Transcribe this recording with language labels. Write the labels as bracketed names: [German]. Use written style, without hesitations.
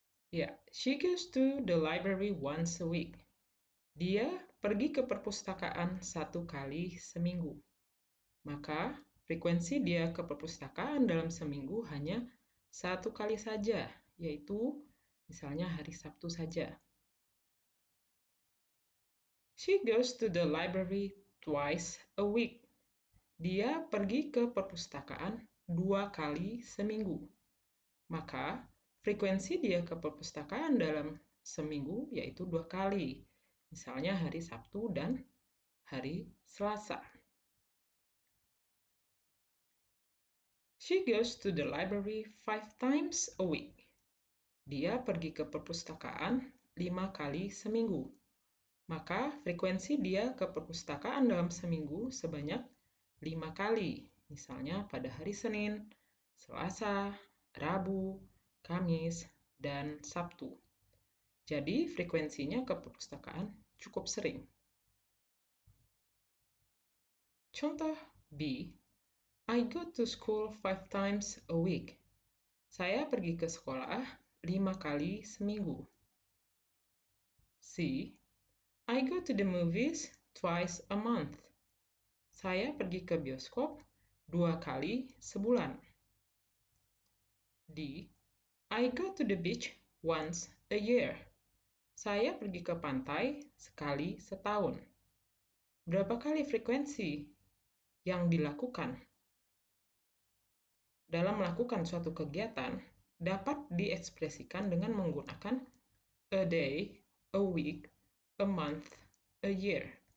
[English] Ya, she goes to the library once a week. [Indonesian] Dia pergi ke perpustakaan satu kali seminggu. Maka, frekuensi dia ke perpustakaan dalam seminggu hanya satu kali saja, yaitu misalnya hari Sabtu saja. [English] She goes to the library twice a week. [Indonesian] Dia pergi ke perpustakaan dua kali seminggu. Maka, frekuensi dia ke perpustakaan dalam seminggu yaitu dua kali, misalnya hari Sabtu dan hari Selasa. [English] She goes to the library five times a week. [Indonesian] Dia pergi ke perpustakaan lima kali seminggu. Maka, frekuensi dia ke perpustakaan dalam seminggu sebanyak lima kali, misalnya pada hari Senin, Selasa, Rabu, Kamis, dan Sabtu. Jadi, frekuensinya ke perpustakaan cukup sering. Contoh B, [English] I go to school five times a week. [Indonesian] Saya pergi ke sekolah lima kali seminggu. [English] C, I go to the movies twice a month. [Indonesian] Saya pergi ke bioskop dua kali sebulan. [English] D, I go to the beach once a year. [Indonesian] Saya pergi ke pantai sekali setahun. Berapa kali frekuensi yang dilakukan dalam melakukan suatu kegiatan dapat diekspresikan dengan menggunakan [English] a day, a week, a month, a year.